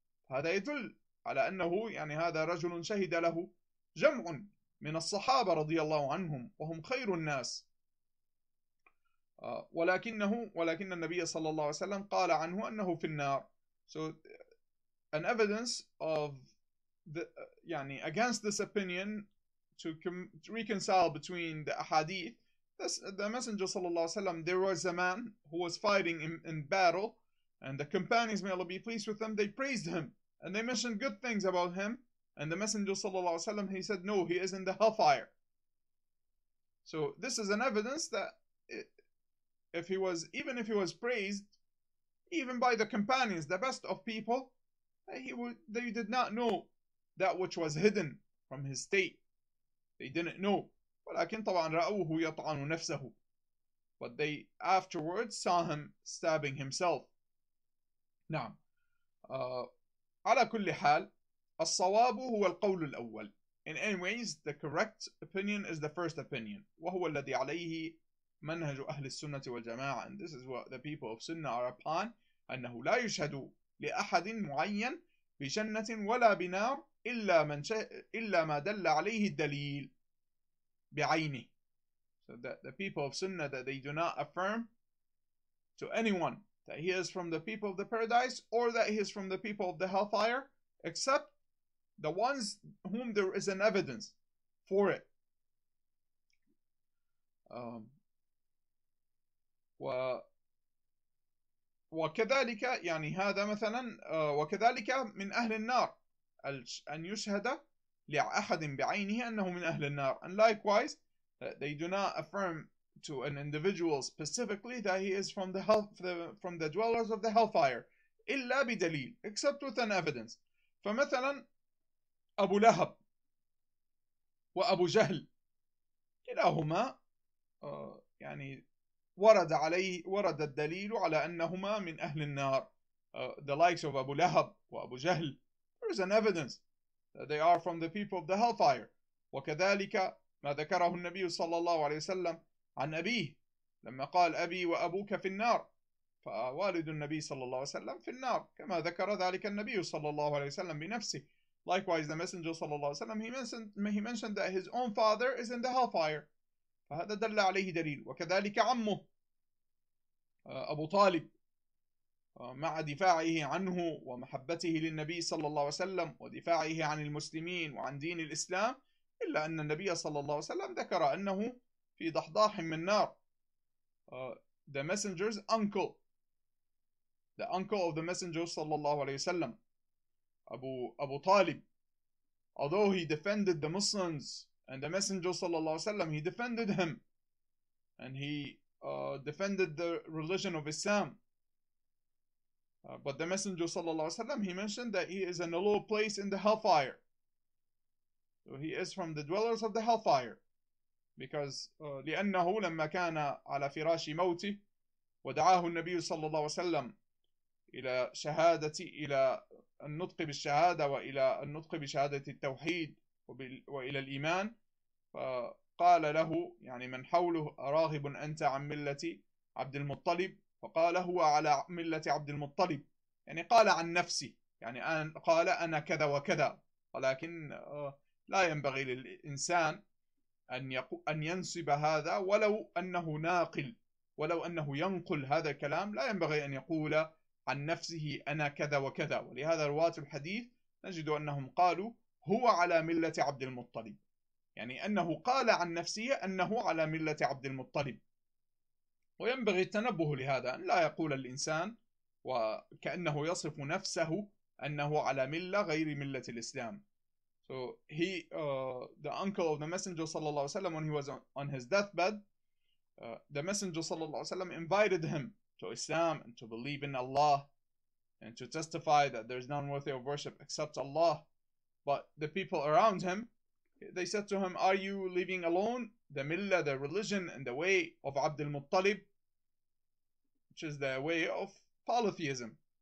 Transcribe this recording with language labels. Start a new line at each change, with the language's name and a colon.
Arabic: هذا يدل على أنه يعني هذا رجل شهد له جمع من الصحابة رضي الله عنهم وهم خير الناس ولكن النبي صلى الله عليه وسلم قال عنه أنه في النار.
English: So an evidence of يعني against this opinion to reconcile between the ahadith, the Messenger
Arabic: صلى الله عليه وسلم,
English: there was a man who was fighting in battle and the companions, may Allah be pleased with them, they praised him and they mentioned good things about him, and the Messenger صلى الله عليه وسلم, he said, no, he is in the hellfire. So this is an evidence that if he was, even if he was praised Even by the companions, the best of people, they did not know that which was hidden from his state. They didn't know.
Arabic: ولكن طبعا رأوه يطعن نفسه.
English: But they afterwards saw him stabbing himself. نعم.
Arabic: على كل حال, الصواب هو القول الأول.
English: In any ways, the correct opinion is the first opinion.
Arabic: وهو الذي عليه منهج أهل السنة والجماعة.
English: And this is what the people of Sunnah are upon.
Arabic: أنه لا يشهد لأحد معين بجنة ولا بنار إلا ما دل عليه الدليل بعينه.
English: So that the people of Sunnah, that they do not affirm to anyone that he is from the people of the paradise or that he is from the people of the hellfire, except the ones whom there is an evidence for it.
Arabic: وكذلك يعني هذا مثلا وكذلك من أهل النار أن يشهد لأحد بعينه أنه من أهل النار.
English: And likewise, that they do not affirm to an individual specifically that he is from the hell, from the dwellers of the hellfire,
Arabic: إلا بدليل,
English: except with an evidence.
Arabic: فمثلا أبو لهب وأبو جهل كلاهما يعني ورد عليه ورد الدليل على أنهما من أهل النار.
English: The likes of أبو لهب وأبو جهل, there is an evidence that they are from the people of the hellfire.
Arabic: وكذلك ما ذكره النبي صلى الله عليه وسلم عن أبيه لما قال أبي وأبوك في النار, فوالد النبي صلى الله عليه وسلم في النار كما ذكر ذلك النبي صلى الله عليه وسلم بنفسه.
English: Likewise, the messenger
Arabic: صلى الله عليه وسلم,
English: he mentioned that his own father is in the hellfire.
Arabic: فهذا دل عليه دليل. وكذلك عمه أبو طالب مع دفاعه عنه ومحبته للنبي صلى الله عليه وسلم ودفاعه عن المسلمين وعن دين الإسلام, إلا أن النبي صلى الله عليه وسلم ذكر أنه في ضحضاح من نار.
English: The messenger's uncle, the uncle of the messenger
Arabic: صلى الله عليه وسلم,
English: أبو طالب, although he defended the Muslims and the messenger صلى الله عليه وسلم, he defended him and he defended the religion of Islam. But the messenger
Arabic: صلى الله عليه وسلم,
English: he mentioned that he is in a low place in the hellfire. So he is from the dwellers of the hellfire.
Arabic: Because لأنه لما كان على فراش موته ودعاه النبي صلى الله عليه وسلم إلى شهادة إلى النطق بالشهادة وإلى النطق بشهادة التوحيد وإلى الإيمان, فقال له يعني من حوله راغب أنت عن ملة عبد المطلب, فقال هو على ملة عبد المطلب, يعني قال عن نفسي, يعني قال أنا كذا وكذا. ولكن لا ينبغي للإنسان أن ينسب هذا ولو أنه ناقل, ولو أنه ينقل هذا الكلام, لا ينبغي أن يقول عن نفسه أنا كذا وكذا. ولهذا رواة الحديث نجد أنهم قالوا هو على ملة عبد المطلب, يعني أنه قال عن نفسه أنه على ملة عبد المطلب. وينبغي التنبه لهذا, أن لا يقول الإنسان وكأنه يصف نفسه أنه على ملة غير ملة الإسلام.
English: So he, the uncle of the messenger
Arabic: صلى الله عليه وسلم,
English: when he was on his deathbed, the messenger صلى الله عليه وسلم invited him to Islam and to believe in Allah and to testify that there is none worthy of worship except Allah. But the people around him, they said to him, are you leaving alone the millah, the religion and the way of Abd al-Muttalib, which is the way of polytheism?